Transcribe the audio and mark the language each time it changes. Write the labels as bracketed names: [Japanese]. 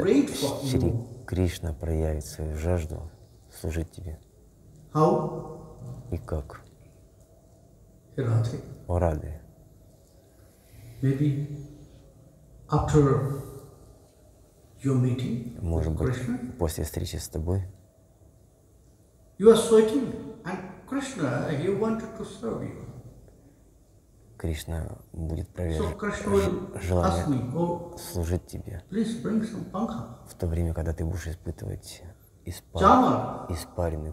[Russian] Шри Кришна проявит свою жажду служить тебе. [English] How? [Russian] И как? Радхе. О, Радхе. [English] Maybe after your meeting with Krishna. [Russian] Может быть, после встречи с тобой. [English] You are sweating, and Krishna, he wanted to serve you. [Russian] Кришна будет проверять желание служить тебе в то время, когда ты будешь испытывать испарину.